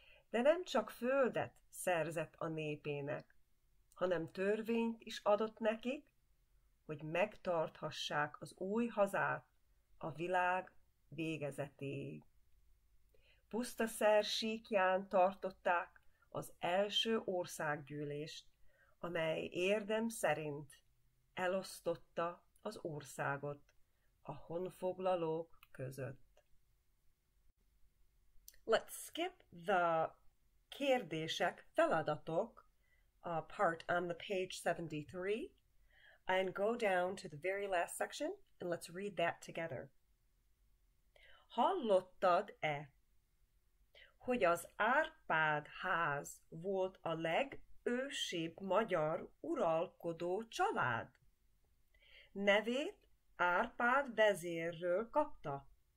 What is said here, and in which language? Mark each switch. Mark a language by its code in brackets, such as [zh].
[hu] De nem csak földet szerzett a népének, hanem törvényt is adott nekik, hogy megtarthassák az új hazát a világ végezetéig. Puszta szersíkján tartották az első országgyűlést, amely érdem szerint elosztotta az országot a honfoglalók között. [en] Let's skip the [hu] kérdések, feladatok, [en] part on the page 73, and go down to the very last section, and let's read that together. [hu] Hallottad-e, hogy az Árpád ház volt a legősibb magyar uralkodó család? Nevét Árpád vezérről kapta.